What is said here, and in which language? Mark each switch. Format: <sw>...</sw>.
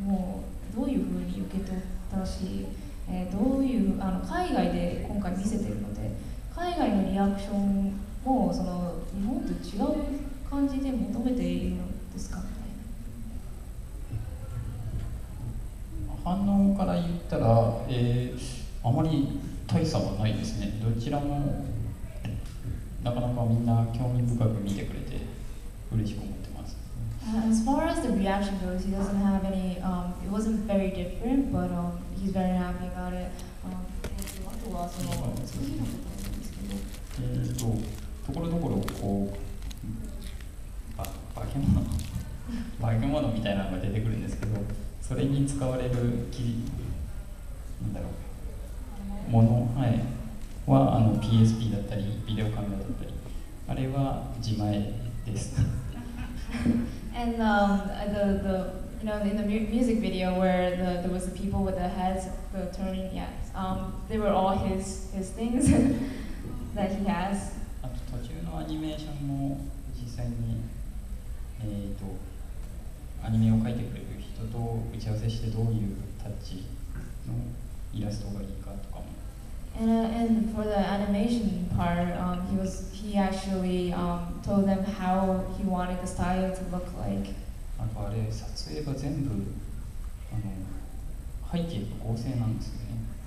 <ja>もうどういう風に受け取ったし、どういう海外で今回見せてるので、海外のリアクションもその日本と違う感じで求めているのですかみたいな。反応から言ったら、あまり大差はないですね。どちらもなかなかみんな興味深く見てくれて嬉しく思ってます。</ja> <en>As far as the reaction goes, he doesn't have any, it wasn't very different, but he's very happy about it.</en> <ja>あとはその、次のことなんですけど。ところどころこう、化け物、化け物みたいなのが出てくるんですけど、それに使われる機、なんだろう、もの、はい。はあの PSP だったりビデオカメラだったりあれは自前です。</ja> <en>And the you know in the music video where the there was the people with the heads the turning they were all his things that he has。</en> <ja>あと途中のアニメーションも実際にアニメを描いてくれる人と打ち合わせしてどういうタッチのイラストがいいかとかも。</ja> <en>And for the animation part, he actually told them how he wanted the style to look like.</en> <ja>あとあれ撮影が全部あの背景が合成なんですよね。</ja>